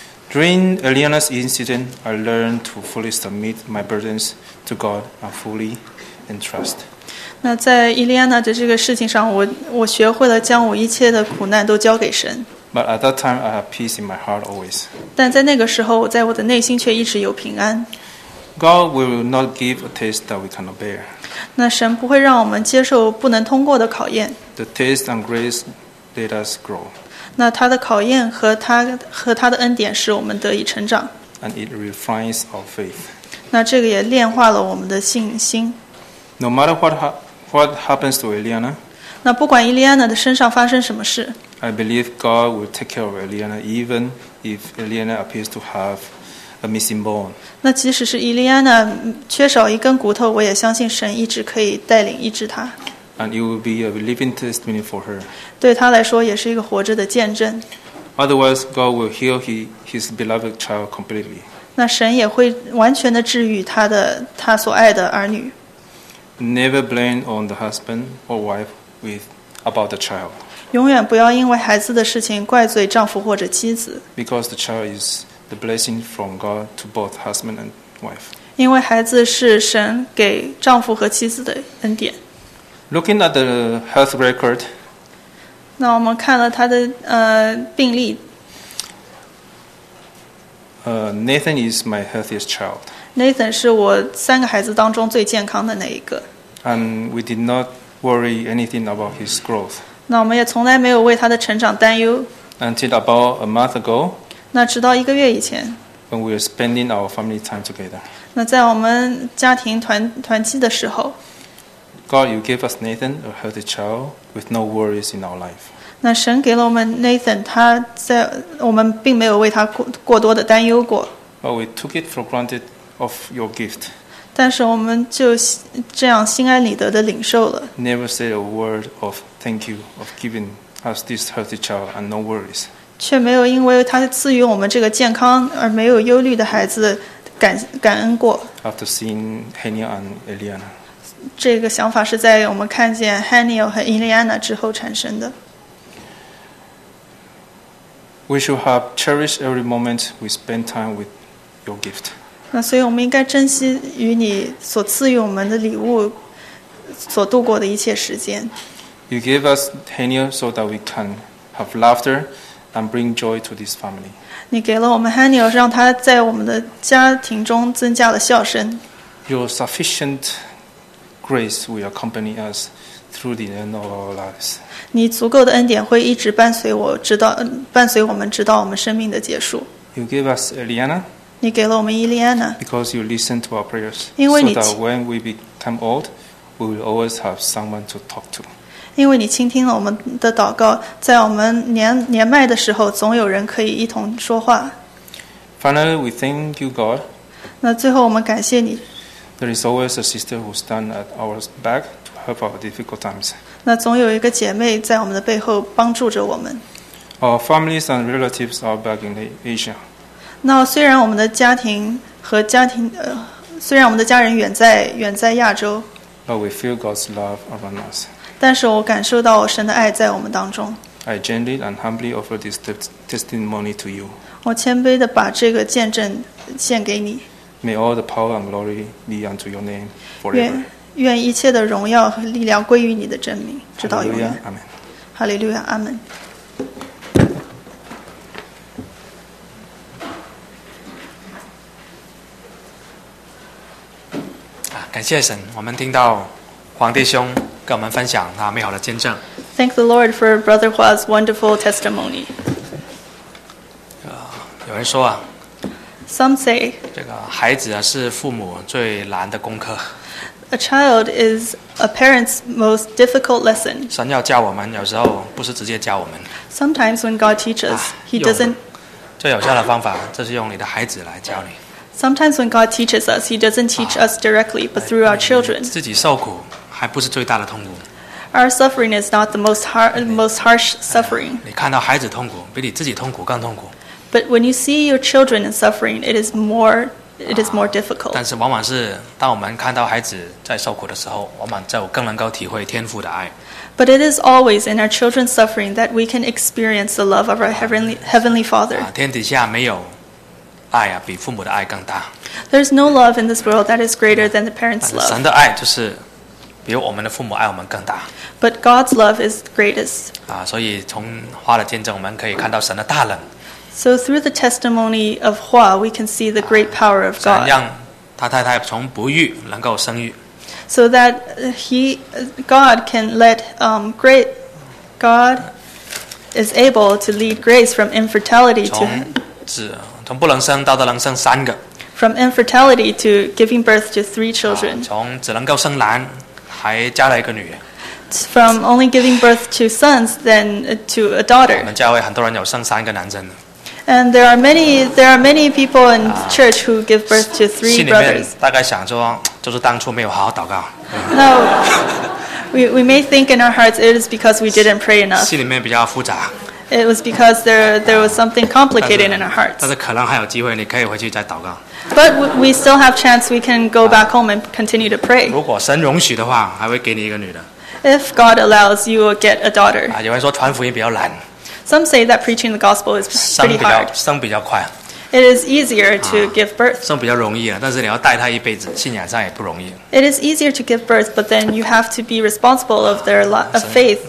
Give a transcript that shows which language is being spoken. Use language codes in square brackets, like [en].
[en] During Eliana's incident, I learned to fully submit my burdens to God and fully entrust. [zh] 那在 Eliana 的这个事情上 我学会了将我一切的苦难都交给神。 [en] But at that time, I had peace in my heart always. [zh] 但在那个时候在我的内心却一直有平安。 [en] God will not give a test that we cannot bear. [zh] 那神不会让我们接受不能通过的考验。 [en] The test and grace let us grow. [zh] 那他的考验和他的恩典使我们得以成长。 [en] And it refines our faith. [zh] 那这个也炼化了我们的信心。 [en] No matter what happens to Eliana, [zh] 那不管 Eliana 的身上发生什么事。 [en] I believe God will take care of Eliana even if Eliana appears to have a missing bone. [zh] 那即使是 Eliana 缺少一根骨头，我也相信神一直可以带领医治她。 [en] And it will be a living testimony for her. [zh] 对她来说也是一个活着的见证。 [en] Otherwise, God will heal his beloved child completely. [zh] 那神也会完全的治愈他的他所爱的儿女。 [en] Never blame on the husband or wife with about the child. [zh] 永远不要因为孩子的事情怪罪丈夫或者妻子。 [en] Because the child is the blessing from God to both husband and wife. [zh] 因为孩子是神给丈夫和妻子的恩典。 [en] Looking at the health record. [zh] 那我们看了他的病历。 [en] Nathan is my healthiest child. [zh] Nathan 是我三个孩子当中最健康的那一个。 [en] And we did not worry anything about his growth. [zh] 那我们也从来没有为他的成长担忧。 [en] Until about a month ago. [zh] 那直到一个月以前。 [en] When we were spending our family time together. [zh] 那在我们家庭团契的时候。 [en] God, you gave us Nathan, a healthy child with no worries in our life. [zh] 那神给了我们 Nathan， 他在我们并没有为他过多的担忧过。 [en] But we took it for granted of your gift. [zh] 但是我们就这样心安理得的领受了。 [en] Never said a word of thank you of giving us this healthy child and no worries. [zh] 却没有因为他赐予我们这个健康而没有忧虑的孩子感恩过。 [en] After seeing Hania and Eliana. [zh] 这个想法是在我们看见 Hania 和 Eliana 之后产生的。 [en] We should have cherished every moment we spend time with your gift. [zh] 那所以我们应该珍惜与你所赐予我们的礼物所度过的一切时间。 [en] You gave us Hania so that we can have laughter and bring joy to this family. [zh] 你给了我们 Hania， 让她在我们的家庭中增加了笑声。 [en] Your sufficient grace will accompany us through the end of our lives. [zh] 你足够的恩典会一直伴随我，伴随我们，直到我们生命的结束。 [en] You gave us Eliana. [zh] 你给了我们 Eliana. [en] Because you listened to our prayers. [zh] 因为你 [en] so that when we become old, we will always have someone to talk to. [zh] 因为你倾听了我们的祷告，在我们年迈的时候，总有人可以一同说话。 [en] Finally, we thank you, God. [zh] 那最后我们感谢你。 [en] There is always a sister who stands at our back. Help our difficult times. [zh] 那总有一个姐妹在我们的背后帮助着我们。 [en] Our families and relatives are back in Asia. [zh] 那虽然我们的家庭和家庭虽然我们的家人远在亚洲。 [en] But we feel God's love around us. [zh] 但是我感受到神的爱在我们当中。 [en] I gently and humbly offer this testimony to you. [zh] 我谦卑地把这个见证献给你。 [en] May all the power and glory be unto your name forever. [zh] 愿一切的荣耀和力量归于你的真名，直到永远。阿门。哈利路亚，阿门。感谢神，我们听到黄弟兄跟我们分享他美好的见证。 [en] Thank the Lord for Brother Hua's wonderful testimony. [zh] 有人说啊 [en] ，Some say [zh] 这个孩子啊是父母最难的功课。 [en] A child is a parent's most difficult lesson. [zh] 神要教我们，有时候不是直接教我们。 [en] Sometimes when God teaches, He doesn't. [zh] 最有效的方法，这是用你的孩子来教你。 [en] Sometimes when God teaches us, He doesn't teach us directly, but through our children. [zh] 自己受苦还不是最大的痛苦。 [en] Our suffering is not the most harsh suffering. [zh] 你看到孩子痛苦，比你自己痛苦更痛苦。 [en] But when you see your children in suffering, it is more difficult. [zh] 但是往往是当我们看到孩子在受苦的时候，往往就更能够体会天父的爱。 [en] But it is always in our children's suffering that we can experience the love of our heavenly Father. [zh] 天底下没有爱啊，比父母的爱更大。 [en] There's no love in this world that is greater than the parents' love. [zh] 神的爱就是比我们的父母爱我们更大。 [en] But God's love is greatest. [zh] 所以从花的见证，我们可以看到神的大能。 [en] So through the testimony of Hua, we can see the great power of God. [zh] 让他太太从不育能够生育。 [en] So that God is able to lead Grace from infertility to [zh] 从不能生到的能生三个。 [en] From infertility to giving birth to three children. [zh] 从只能够生男，还加了一个女。 [en] From only giving birth to sons, then to a daughter. [zh] 我们教会很多人有生三个男生的。 [en] And there are many people in church who give birth to three brothers. [zh] 大概想说，就是当初没有好好祷告。 [en] No, we may think in our hearts it is because we didn't pray enough. [zh] 心里面比较复杂。 [en] It was because there was something complicated in our hearts. [zh] 但是可能还有机会，你可以回去再祷告。 [en] But we still have chance. We can go back home and continue to pray. [zh] 如果神容许的话，还会给你一个女的。 [en] If God allows, you will get a daughter. [zh] 有人说传福音比较难。 [en] Some say that preaching the gospel is pretty hard. [zh] 生比较快。 [en] It is easier to give birth. [zh] 生比较容易啊，但是你要带她一辈子，信仰上也不容易。 [en] It is easier to give birth, but then you have to be responsible of their of faith.